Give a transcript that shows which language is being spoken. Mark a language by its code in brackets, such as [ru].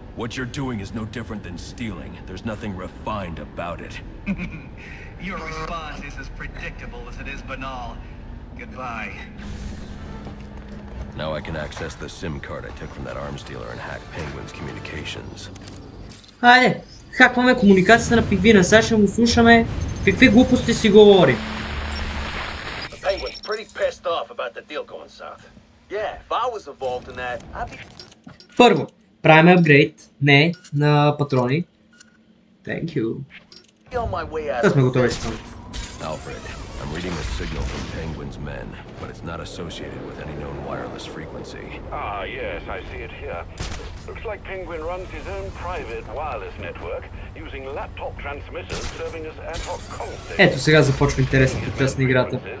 [en] What you're doing is no different than stealing. There's nothing refined about it. Your response is as predictable as it is banal. Goodbye. Now I can access the SIM card I took from that arms dealer and hack Penguin's communications. Hi. [bg] Хакваме комуникацията на пингвина, сега ще му слушаме какви глупости си говори. Първо, правим апгрейд, не, на патрони. [en] Thank you. [bg] Това сме готови с това. [en] Alfred, I'm reading a signal from Penguin's men, but it's not associated with any known wireless frequency. Ah, yes, I see it here. Looks like Penguin runs his own private wireless network, using laptop transmitters serving as ad hoc comms. [bg] Ето сега започва интересната част на играта.